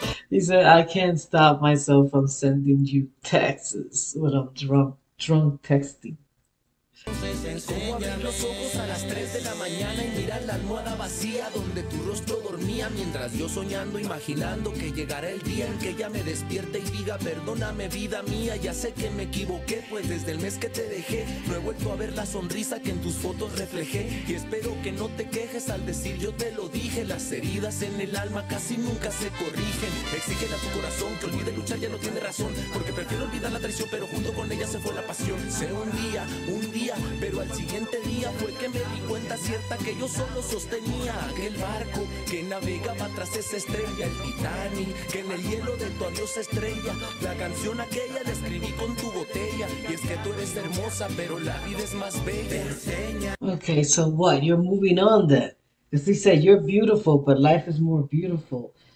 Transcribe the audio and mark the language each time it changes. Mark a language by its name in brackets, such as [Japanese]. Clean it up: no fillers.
[English] He said, I can't stop myself from sending you texts when I'm drunk texting. [Spanish] Cómo abrir los ojos a las 3 de la mañana y mirar la almohada vacía donde tu rostro dormía mientras yo soñando, imaginando que llegará el día en que ella me despierte y diga, perdóname vida mía, ya sé que me equivoqué, pues desde el mes que te dejé no he vuelto a ver la sonrisa que en tus fotos reflejé y espero que no te quejes al decir yo te lo dije. Las heridas en el alma casi nunca se corrigen. Exígele a tu corazón que olvide luchar, ya no tiene razón, porque prefiero olvidar la traición, pero junto con ella se fue la pasión. Sé un día, pero al siguiente día fue que me di cuenta cierta que yo solo sostenía aquel barco que navegaba tras esa estrella, el Titanic, que en el hielo de tu adiós estrella, la canción aquella la escribí con tu botella, y es que tú eres hermosa, pero la vida es más bella, enseña. [English] Okay, so what, you're moving on then, because he said you're beautiful, but life is more beautiful.